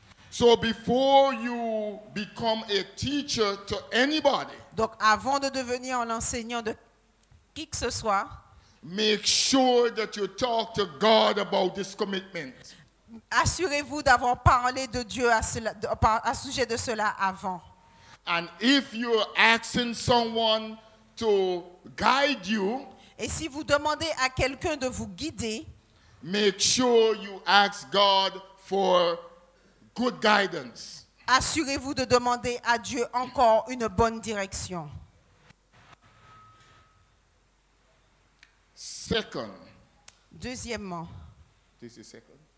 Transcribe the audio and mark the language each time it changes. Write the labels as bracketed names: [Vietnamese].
[English] So before you become a teacher to anybody. [French] Donc avant de devenir un enseignant de qui que ce soit, [English] make sure that you talk to God about this commitment. [French] Assurez-vous d'avoir parlé de Dieu à sujet de cela avant. [English] And if you're asking someone to guide you, [French] et si vous demandez à quelqu'un de vous guider, [English] make sure you ask God for good guidance. [French] Assurez-vous de demander à Dieu encore une bonne direction. [English] Second. [French] Deuxièmement. [English] This is second.